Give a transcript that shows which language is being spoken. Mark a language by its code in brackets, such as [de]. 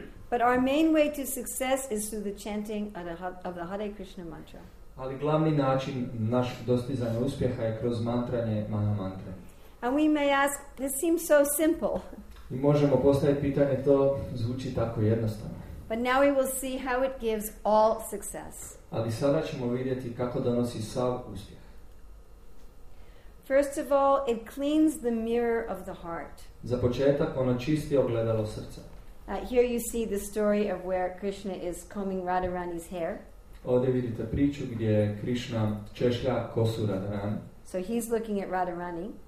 [en] But our main way to success is through the chanting of the Hare Krishna mantra. [hr] Ali glavni način naš dostizanja uspjeha je kroz mantranje Maha mantre. [en] And we may ask, this seems so simple. [hr] I možemo postaviti pitanje, to zvuči tako jednostavno. [en] But now we will see how it gives all success. [hr] Ali sada ćemo vidjeti kako donosi sav uspjeh. [en] First of all, it cleans the mirror of the heart. [hr] Za početak, ono čisti ogledalo srca. [en] Here you see the story of where Krishna is combing Radharani's hair. [hr] Ovdje vidite priču gdje Krishna češlja kosu Radharani. [en] So he's looking at Radharani.